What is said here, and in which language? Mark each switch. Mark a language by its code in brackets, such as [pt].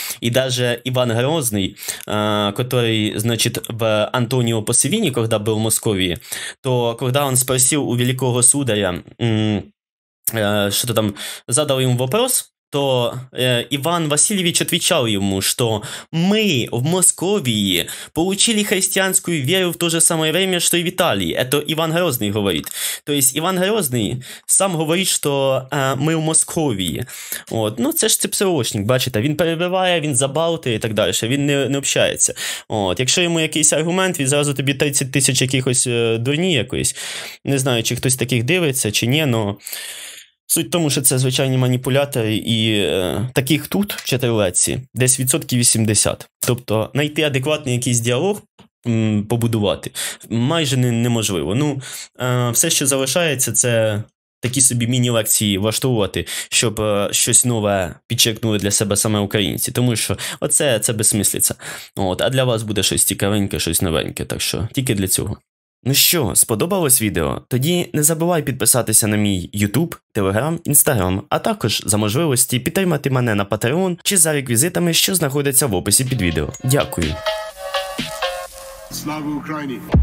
[ru] И даже Иван Грозный, который, значит, в Антонио Пасивини, когда был в Москве, то когда он спросил у великого сударя, что-то там, задал ему вопрос, то Иван Васильевич отвечал ему, что мы в Московии получили христианскую веру в то же самое время, что и в Италии. Это Иван Грозный говорит. То есть Иван Грозный сам говорит, что мы в Московии. [uk] От. Ну, це ж ЦПСУшник, бачите. Він перебиває, він забалте і так далі. Він не общається. От. Якщо йому якийсь аргумент, він зразу тобі 30 тисяч якихось дурні якоїсь. Не знаю, чи хтось таких дивиться, чи ні, но... Суть в тому, що це звичайні маніпулятори, і таких тут, в Чотирилеці, десь відсотків 80. Тобто, знайти адекватний якийсь діалог, побудувати, майже неможливо. Ну, все, що залишається, це такі собі міні-лекції влаштовувати, щоб щось нове підчеркнули для себе саме українці. Тому що оце це безсмислиця. От, а для вас буде щось цікавеньке, щось новеньке, так що тільки для цього. Ну що, сподобалось відео? Тоді не забувай підписатися на мій YouTube, Telegram, Instagram, а також за можливості підтримати мене на Patreon чи за реквізитами, що знаходяться в описі під відео. Дякую. Слава Україні!